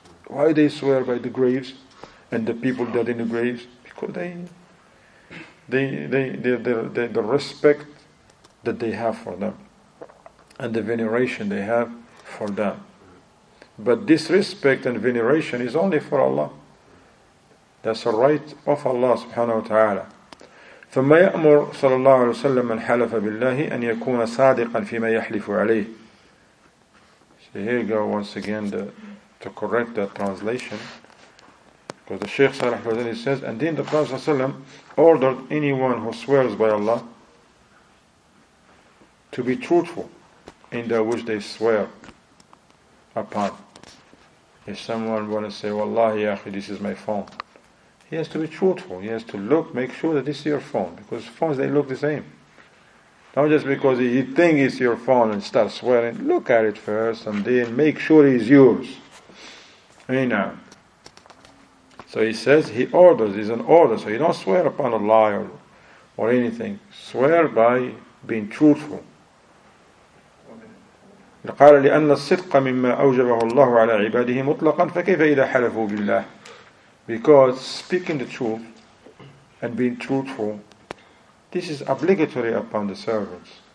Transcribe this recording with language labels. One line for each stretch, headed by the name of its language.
English: Why they swear by the graves and the people dead in the graves? Because the respect that they have for them and the veneration they have for them. But this respect and veneration is only for Allah. That's a right of Allah subhanahu wa ta'ala.
Arabic: ثم يأمر صلى الله عليه وسلم من حلف بالله أن يكون صادقا فيما يحلف عليه.
English: So here you go once again to correct the translation. Because the Shaykh Salih al-Fawzan says, and then the Prophet ﷺ ordered anyone who swears by Allah to be truthful in that which they swear upon. If someone wants to say, Wallahi, Akhi, this is my phone. He has to be truthful. He has to look, make sure that this is your phone. Because phones, they look the same. Not just because he thinks it's your phone and starts swearing. Look at it first and then make sure it's yours. Amen. So he says, he orders, it's an order. So you don't swear upon a lie or anything. Swear by being truthful.
Arabic: قال لأن الصدق مما أوجبه الله على عباده مطلقا فكيف إذا حلفوا بالله.
English: Because speaking the truth and being truthful, this is obligatory upon the servants.